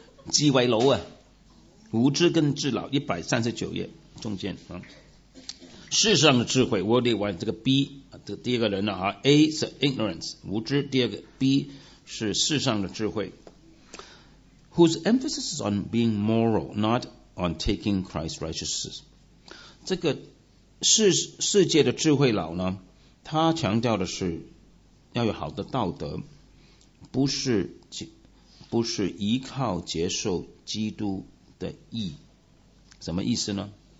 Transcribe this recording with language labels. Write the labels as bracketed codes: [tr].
[zh] 鸡尾楼啊，无知跟智老139页中间啊，世上的智慧 worldly wise 这个 B 这第一个人呢啊 ，A 是 ignorance 无知，第二个 B 是世上的智慧。 [en] Whose emphasis is on being moral, not on taking Christ's righteousness. [zh] 这个世界的智慧老呢，他强调的是要有好的道德，不是依靠接受基督的义。什么意思呢？